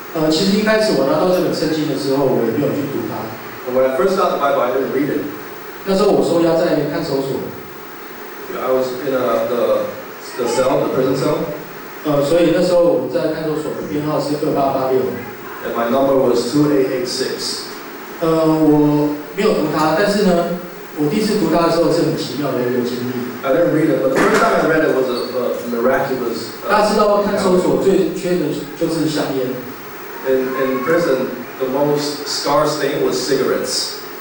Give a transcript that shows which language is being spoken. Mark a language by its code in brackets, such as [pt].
[zh] 其实一开始我拿到这本圣经的时候，我也没有去读它。 [en] When I first got the Bible, I didn't read it. [zh] 那时候我受押在看守所。 [en] Yeah, I was in the cell, the prison cell. [zh] 所以那时候我在看守所的编号是2886。 [en] And my number was 2886. [zh] 我没有读它，但是呢，我第一次读它的时候是很奇妙的一个经历。 [en] I didn't read it, but the first time I read it was a miraculous. [zh] 大家知道看守所最缺的就是香烟。 [en] In prison, the most scarce thing was cigarettes.